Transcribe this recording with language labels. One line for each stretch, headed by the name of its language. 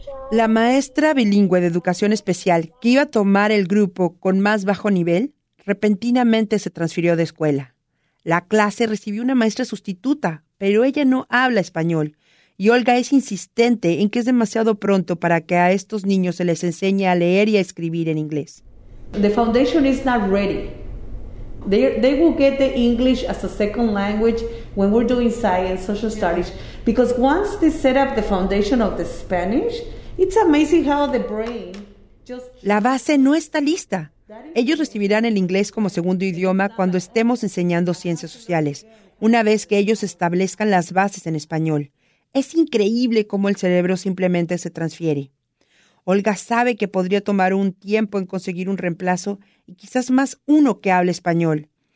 Spanish: la maestra bilingüe de educación especial que iba a tomar el grupo con más bajo nivel repentinamente se transfirió de escuela. La clase recibió una maestra sustituta, pero ella no habla español. Y Olga es insistente en que es demasiado pronto para que a estos niños se les enseñe a leer y a escribir en inglés.
English: The foundation is not ready. They will get the English as a second language when we're doing science, social studies. Because once they set up the foundation of the Spanish, it's amazing how the brain just...
Spanish: La base no está lista. Ellos recibirán el inglés como segundo idioma cuando estemos enseñando ciencias sociales, una vez que ellos establezcan las bases en español. Es increíble cómo el cerebro simplemente se transfiere. Olga sabe que podría tomar un tiempo en conseguir un reemplazo y quizás más uno que hable español.